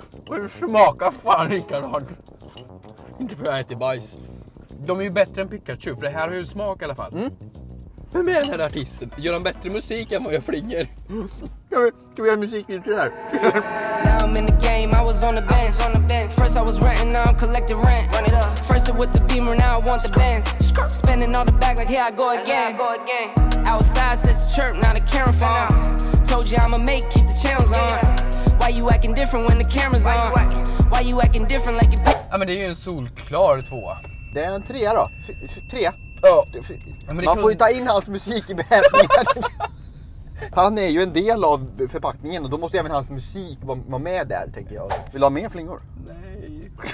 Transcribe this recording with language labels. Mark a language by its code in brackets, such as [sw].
[sv] Men det smakar fan likadant. Inte för att jag äter bajs. De är ju bättre än Pikachu, för det här har ju smak i alla fall. Mm. Vem är den här artisten? Gör han bättre musik än vad jag flinger? Ska vi göra musik till det här? [en] Now I'm in the game, I was on the bench. First I was renting, now I'm collecting rent. First it was the Beamer, now I want the Benz. Spending all the back like here I go again. Outside says chirp, not a camera phone. Told you I'ma make, keep the channels on. Why you acting different when the camera's on? Why you acting different like you... [sv] Ja, men det är ju en solklar tvåa. Det är en trea då. Tre. Ja, man får ju ta in hans musik i behävningen. Han är ju en del av förpackningen och då måste även hans musik vara med där, tänker jag. Vill du ha mer flingor? Nej.